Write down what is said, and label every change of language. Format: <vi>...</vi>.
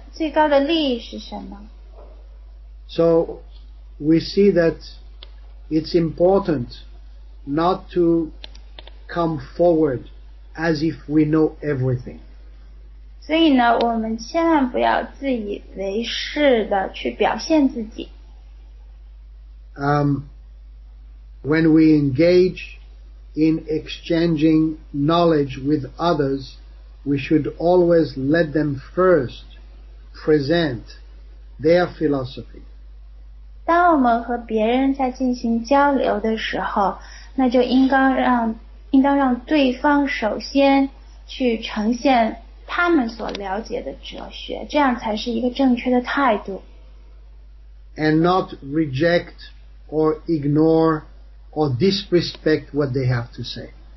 <zh>他会询问说，这个人类的最高的利益是什么？</zh> <en>So we see that it's important not to come forward as if we know everything.</en> <zh>所以呢，我们千万不要自以为是的去表现自己。</zh> <en>When we engage in exchanging knowledge with others, we should always let them first present their philosophy.</en> <zh>当我们和别人在进行交流的时候，那就应当让对方首先去呈现。</zh> <en>And not reject or ignore or disrespect what they have to say.</en>